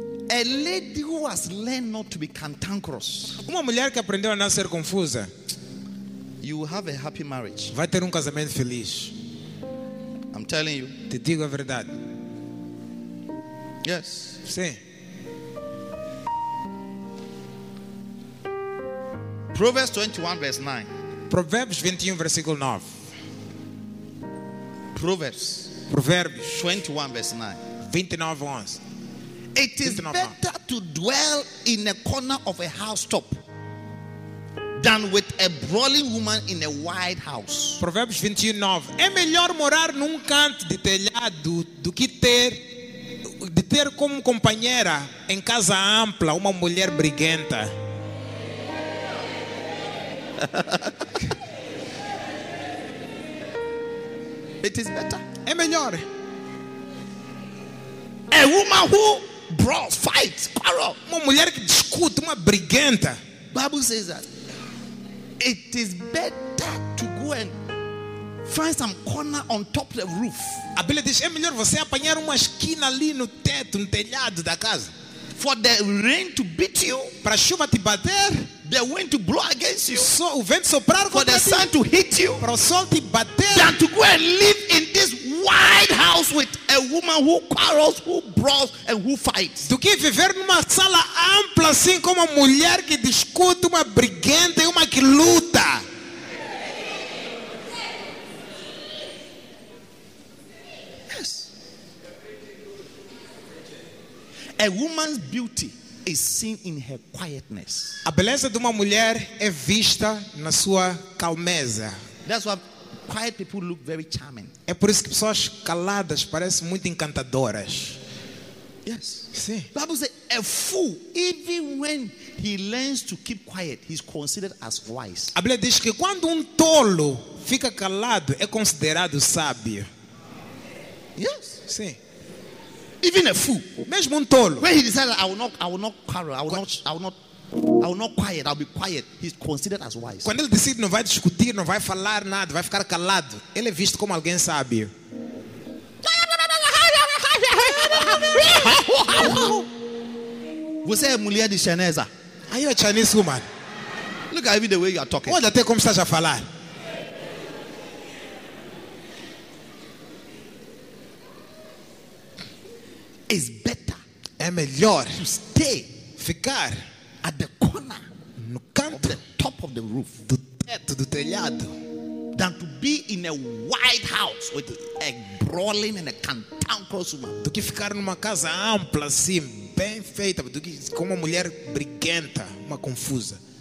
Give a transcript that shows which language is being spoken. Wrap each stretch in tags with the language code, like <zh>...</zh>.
<en>A lady who has learned not to be cantankerous.</en> <pt>Uma mulher que aprendeu a não ser confusa.</pt> <en>You will have a happy marriage.</en> <pt>Vai ter casamento feliz.</pt> <en>I'm telling you.</en> <pt>Te digo a verdade.</pt> <en>Yes.</en> <pt>Sim.</pt> <en>Proverbs 21 verse 9.</en> <pt>Provérbios 21 versículo 9.</pt> <en>Proverbs.</en> <pt>Provérbios</pt> <en>21 verse 9. 29 verse 9. It is better to dwell in a corner of a housetop than with a brawling woman in a wide house.</en> <pt>Provérbios 29. É melhor morar num canto de telhado do que ter como companheira em casa ampla uma mulher briguenta.</pt> <en>It is better.</en> <pt>É melhor.</pt> <en>A woman who brawls, fights, quarrel.</en> <pt>Uma mulher que discute, uma briguenta.</pt> <en>Bible says that it is better to go and find some corner on top of the roof.</en> <pt>A Bíblia diz, é melhor você apanhar uma esquina ali no teto, no telhado da casa.</pt> <en>For the rain to beat you,</en> <pt>para a chuva te bater,</pt> <en>the wind to blow against you,</en> <pt>so, o vento soprar</pt> <en>for</en> <pt>contra</pt> <en>the sun</en> <pt>ti,</pt> <en>to hit you,</en> <pt>para o sol te bater,</pt> <en>than to go and live in this wide house with a woman who quarrels, who brawls, and who fights.</en> <pt>Do que viver numa sala ampla assim com uma mulher que discute, uma briguenta e uma que luta.</pt> <en>A woman's beauty is seen in her quietness.</en> <pt>A beleza de uma mulher é vista na sua calmeza.</pt> <en>That's why quiet people look very charming.</en> <pt>É por isso que pessoas caladas parecem muito encantadoras.</pt> <en>Yes.</en> <pt>Sim.</pt> <en>The Bible says, a fool, even when he learns to keep quiet, he's considered as wise.</en> <pt>A Bíblia diz que quando tolo fica calado, é considerado sábio.</pt> <en>Yes.</en> <pt>Sim.</pt> <en>Even a fool,</en> <pt>mesmo tolo,</pt> <en>when he decides, I will not quarrel, I will not quiet, I'll be quiet, he's considered as wise.</en> <pt>Quando ele decide não vai discutir, não vai falar nada, vai ficar calado, ele é visto como alguém sábio. Você é mulher de chinesa?</pt> <en>Are you a Chinese woman? Look at even the way you are talking.</en> <pt>Olha até como estás a falar.</pt> <en>Is better.</en> <pt>É melhor</pt> <en>to stay,</en> <pt>ficar</pt> <en>at the corner,</en> <pt>no canto,</pt> <en>of the top of the roof,</en> <pt>do teto do telhado,</pt> <en>than to be in a wide house with a brawling and a cantankerous woman.</en> <pt>Do que ficar numa casa ampla assim, bem feita, do que com uma mulher briguenta, uma confusa.</pt>